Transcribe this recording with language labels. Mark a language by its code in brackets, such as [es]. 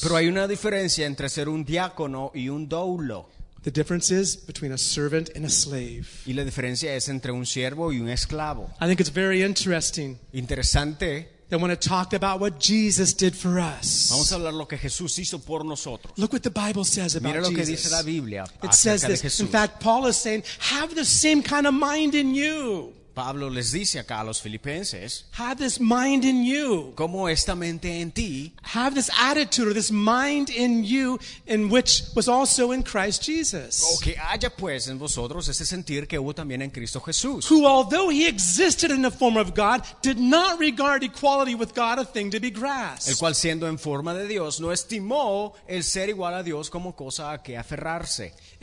[es] Pero hay una diferencia entre ser un diácono y un doulo. [en] The difference is between a servant and a slave. [es] Y la diferencia es entre un siervo y un esclavo. [en] I think it's very interesting. [es] Interesante. [en] I want to talk about what Jesus did for us. [es] Vamos a hablar lo que Jesús hizo por nosotros. [en] Look what the Bible says about [es] Mira lo que [en] Jesus. [es] Dice la Biblia [en] it says this. In fact, Paul is saying, have the same kind of mind in you. [es] Pablo les dice acá a los filipenses, [en] have this mind in you. [es] Como esta mente en ti. [en] Have this attitude or this mind in you in which was also in Christ Jesus. [es] Que haya pues en vosotros ese sentir que hubo también en Cristo Jesús. [en] Who, although he existed in the form of God, did not regard equality with God a thing to be grasped. [es] El cual siendo en forma de Dios, no estimó el ser igual a Dios como cosa a que aferrarse.